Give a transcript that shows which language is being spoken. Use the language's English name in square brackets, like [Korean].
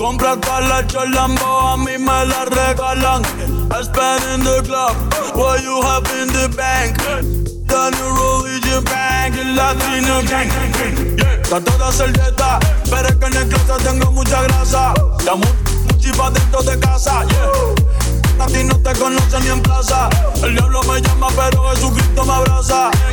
[Spanish] todas las cholambo a mí me la regalan. [English] I spend in the club, what you have in the bank. The new religion bank, [Spanish] el latino gang. Trato de hacer dieta, pero es que en el closet tengo mucha grasa. Ya mucho y pa' dentro de casa, yeah. A ti no te conoce ni en plaza. El diablo me llama, pero Jesucristo me abraza.